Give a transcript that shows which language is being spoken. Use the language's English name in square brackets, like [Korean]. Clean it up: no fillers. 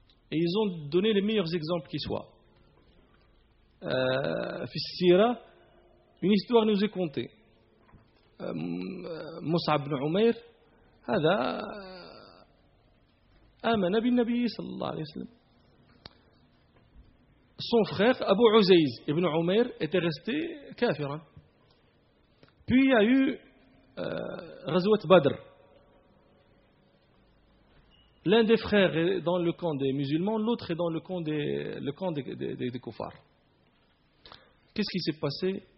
[French] Et ils ont donné les meilleurs exemples qui soient. Fissira, une histoire nous est contée. [Arabic] Mus'ab ibn Umair, هذا آمن بالنبي صلى الله عليه وسلم. [French] Son frère Abu Uzayz ibn Umair était resté كافرا. Puis il y a eu غزوة بدر. L'un des frères est dans le camp des musulmans, l'autre est dans le camp des kuffars. Qu'est-ce qui s'est passé?